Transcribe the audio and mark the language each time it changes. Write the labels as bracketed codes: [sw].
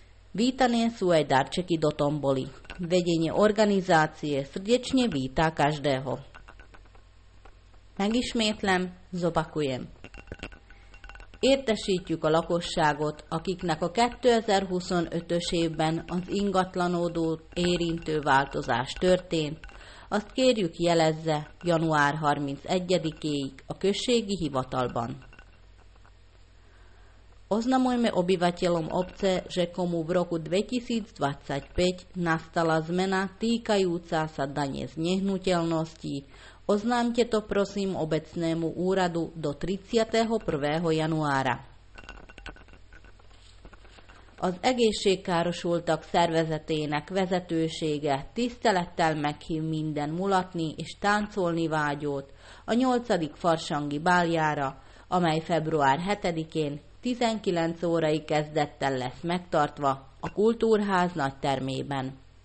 [sk] Vítané sú aj darčeky do tomboli. Vedenie organizácie srdečne vítá každého. [hu] Megismétlem, [sk] zopakujem. [hu] Értesítjük a lakosságot, akiknek a 2025-ös évben az ingatlanódó érintő változás történt, azt kérjük jelezze január 31-éig a községi hivatalban. [sk] Oznamujme obyvateľom obce, že komu v roku 2025 nastala zmena týkajúca sa dane z nehnuteľností, oznámte to prosím obecnému úradu do 31. januára. [hu] Az egészségkárosultak szervezetének vezetősége tisztelettel meghív minden mulatni és táncolni vágyót a 8. farsangi báljára, amely február 7-én 19 órai kezdettel lesz megtartva a Kultúrház nagy termében.